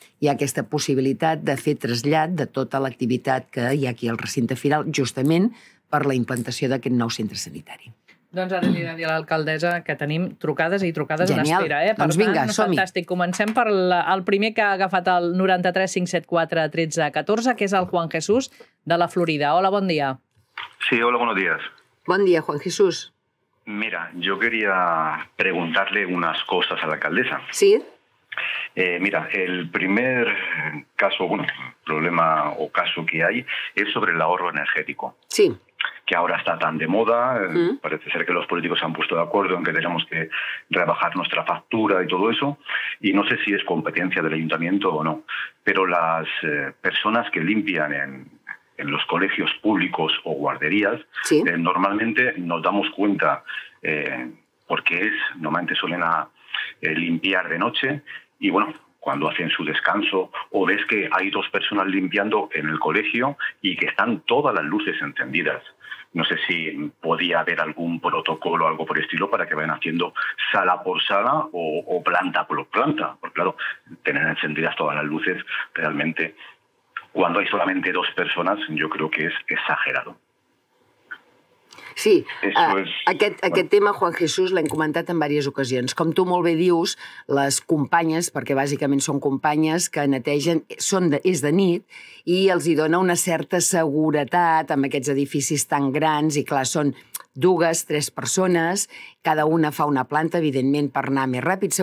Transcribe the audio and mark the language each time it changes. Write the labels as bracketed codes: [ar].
[ca] Hi ha aquesta possibilitat de fer trasllat de tota l'activitat que hi ha aquí al recinte firal, justament per la implantació d'aquest nou centre sanitari. Doncs ara li he de dir a l'alcaldessa que tenim trucades i trucades en espera. Genial, doncs vinga, som-hi. Fantàstic, comencem per el primer que ha agafat el 93-574-1314, que és el Juan Jesús de la Florida. Hola, bon dia. [es] Sí, hola, buenos días. [ca] Bon dia, Juan Jesús. [es] Mira, yo quería preguntarle unas cosas a la alcaldesa. Sí. Mira, el primer caso, bueno, problema o caso que hay es sobre el ahorro energético. Sí. Que ahora está tan de moda, parece ser que los políticos se han puesto de acuerdo en que tenemos que rebajar nuestra factura y todo eso, y no sé si es competencia del ayuntamiento o no, pero las personas que limpian en los colegios públicos o guarderías, ¿sí? Normalmente nos damos cuenta, porque es, normalmente suelen limpiar de noche, y bueno, cuando hacen su descanso, o ves que hay dos personas limpiando en el colegio y que están todas las luces encendidas. No sé si podía haber algún protocolo o algo por el estilo para que vayan haciendo sala por sala o planta por planta. Porque claro, tener encendidas todas las luces realmente, cuando hay solamente dos personas, yo creo que es exagerado. [ca] Sí, aquest tema, Juan Jesús, l'hem comentat en diverses ocasions. Com tu molt bé dius, les companyes, perquè bàsicament són companyes que netegen, és de nit, i els hi dona una certa seguretat amb aquests edificis tan grans, i clar, són dues, tres persones, cada una fa una planta, evidentment, per anar més ràpid.